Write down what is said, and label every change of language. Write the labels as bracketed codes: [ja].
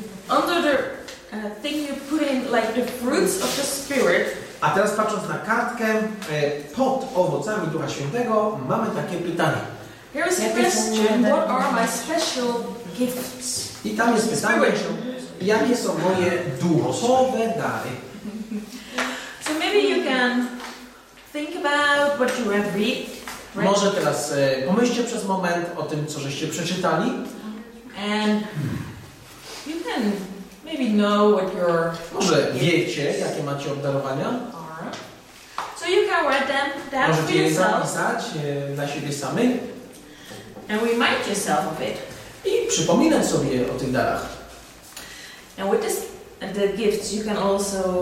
[en] Under the thing you put in, like the fruits of the Spirit. [pl] A teraz patrząc na kartkę, pod owocami Ducha Świętego mamy takie pytanie. [en] Here is the question, what are my special gifts? [pl] I tam jest pytanie, jakie są moje duchowe dary? [en] So maybe maybe you can think about what you have read. [pl] Może teraz pomyślcie przez moment o tym, co żeście przeczytali. [en] And you can maybe know what your. [pl] Może wiecie, jakie macie obdarowania. [en] So you can write them down for yourself. [pl] Możecie je zapisać dla siebie samych. [en] And remind yourself of it. [pl] I przypominać sobie o tych darach. [en] And with this, the gifts, you can also.